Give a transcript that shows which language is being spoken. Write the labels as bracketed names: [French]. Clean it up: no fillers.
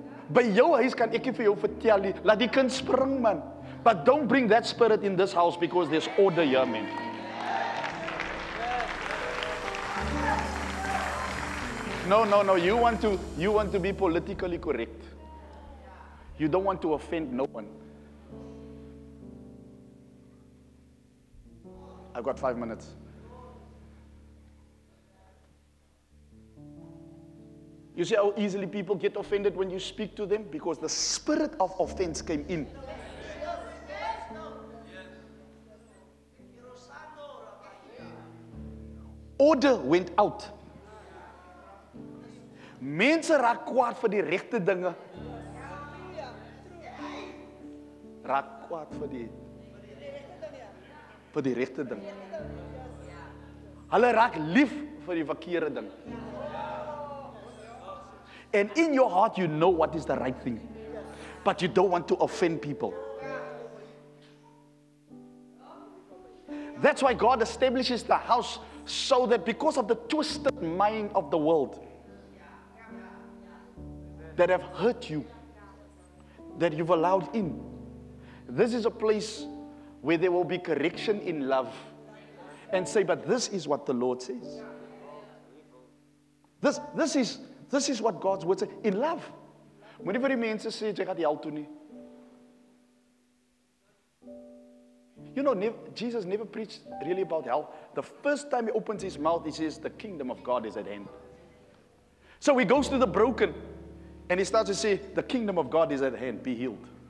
[Afrikaans] By jou huis kan ek nie vir jou vertel nie. Laat die kind spring, man. [English] But don't bring that spirit in this house because there's order here, man. No. You want to be politically correct. You don't want to offend no one. I've got 5 minutes. You see how easily people get offended when you speak to them? Because the spirit of offense came in. Order went out. [Afrikaans] Mense raak kwaad vir die regte dinge. Raak kwaad vir die regte ding. Hulle raak lief vir die verkeerde ding. [English] And in your heart you know what is the right thing. But you don't want to offend people. That's why God establishes the house so that because of the twisted mind of the world, that have hurt you, that you've allowed in. This is a place where there will be correction in love. And say, but this is what the Lord says. This is what God's word says. In love. Whenever [Afrikaans] mense sê, jy gaan die hel toe nie. [English] You know, Jesus never preached really about hell. The first time he opens his mouth, he says, the kingdom of God is at hand. So he goes to the broken. And he starts to say, the kingdom of God is at hand. Be healed.